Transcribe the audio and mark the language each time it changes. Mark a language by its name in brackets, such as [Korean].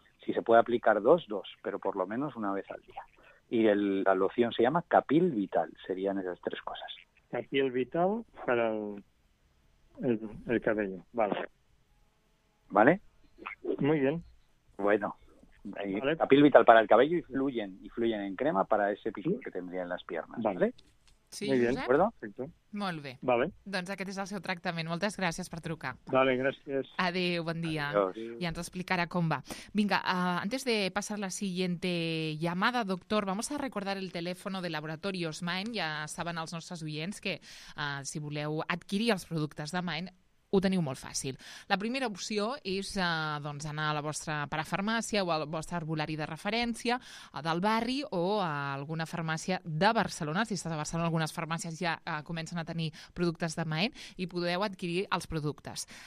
[Spanish] Si se puede aplicar dos, dos, pero por lo menos una vez al día. Y la loción se llama Capil Vital, serían esas tres cosas. Capil Vital para el cabello, vale. ¿Vale? Muy bien. Bueno, vale. Capil Vital para el cabello y Fluyen en crema para ese pico que tendría en las piernas, ¿vale? ¿Vale? Sí, muy bien, ¿de acuerdo? Perfecto. [Catalan] Molt bé. [Spanish] Vale. [Catalan] Doncs aquest és el seu tractament. Moltes gràcies per trucar. Vale, gràcies. Adéu, bon dia. [Spanish] Adiós. [Catalan] Ja ens explicarà com va. [Spanish] Vinga, antes de passar la siguiente llamada, doctor, vamos a recordar el teléfono de Laboratorios Mind. [Catalan] Ja saben els nostres oients que si voleu adquirir els productes de Mind, ho teniu molt fàcil. La primera opció és doncs anar a la vostra parafarmàcia o al vostre herbolari de referència del barri o a alguna farmàcia de Barcelona. Si estàs a Barcelona, algunes farmàcies ja comencen a tenir productes de Maen i podeu adquirir els productes.